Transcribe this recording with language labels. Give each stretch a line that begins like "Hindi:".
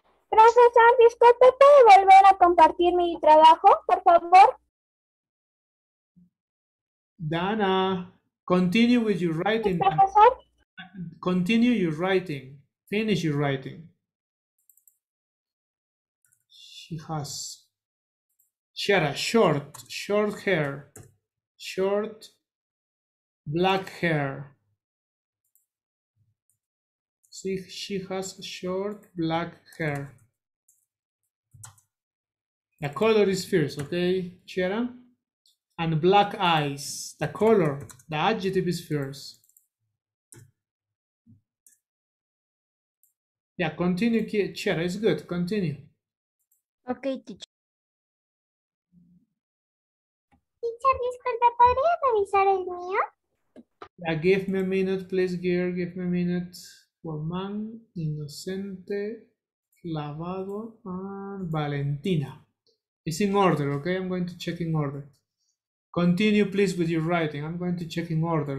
Spanish: Profesor, disculpe, ¿puedo volver a compartir mi trabajo, por favor?
English: Dana, continue with your writing.
Spanish: Profesor.
English: Continue your writing. Finish your writing. She has. Chiara, short hair. Short black hair. See, she has short black hair. The color is fierce, okay, Chiara? And black eyes, the color, the adjective is fierce. Yeah, continue, Chiara, it's good, continue. Okay, teacher.
Spanish: Teacher, disculpe, ¿podría revisar el mío?
English: Yeah, give me a minute, please, Gear, give me a minute. Juan, Inocente, Lavado, and Valentina. It's in order, okay? I'm going to check in order. Continue, please, with your writing. I'm going to check in order.